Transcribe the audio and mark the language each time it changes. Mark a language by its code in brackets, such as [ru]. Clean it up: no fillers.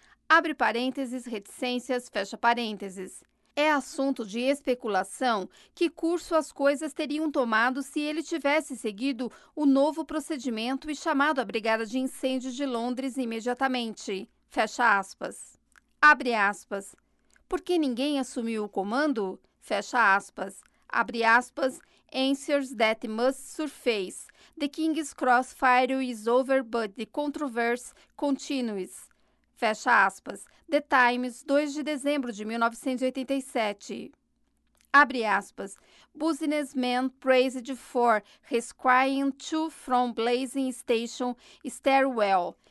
[pt] Abre parênteses, reticências, fecha parênteses. É assunto de especulação que curso as coisas teriam tomado se ele tivesse seguido o novo procedimento e chamado a Brigada de Incêndios de Londres imediatamente. Fecha aspas. Abre aspas. Por que ninguém assumiu o comando? Fecha aspas. Abre aspas. [en] Answers that must surface. The King's Crossfire is over, but the controversy continues. [pt] Fecha aspas. The Times, 2 de dezembro de 1987. Abre aspas. [en] Businessman praised for rescuing two from blazing station stairwell.